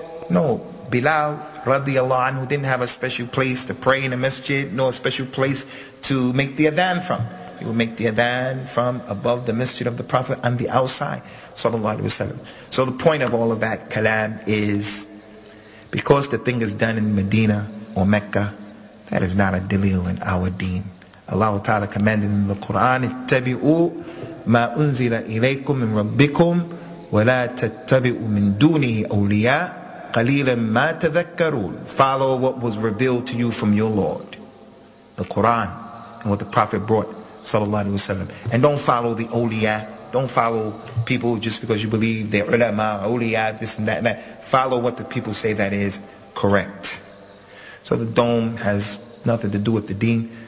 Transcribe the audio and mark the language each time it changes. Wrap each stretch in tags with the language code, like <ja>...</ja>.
<en>No, Bilal radiallahu anhu didn't have a special place to pray in a masjid, nor a special place to make the adhan from. He would make the adhan from above the masjid of the Prophet on the outside, sallallahu alaihi wasallam. So the point of all of that kalam is, because the thing is done in Medina or Mecca, that is not a delil in our deen. Allah Ta'ala commanded in the Quran,</en> <ar>اتبعوا ما أنزل إليكم من ربكم ولا تتبعوا من دونه أولياء قليلا ما تذكرون.</ar> <en>Follow what was revealed to you from your Lord, the Quran, and what the Prophet brought, sallallahu alaihi wasallam. And don't follow the awliya. Don't follow people just because you believe they're ulama, awliya, this and that. Follow what the people say that is correct. So the dome has nothing to do with the deen.</en>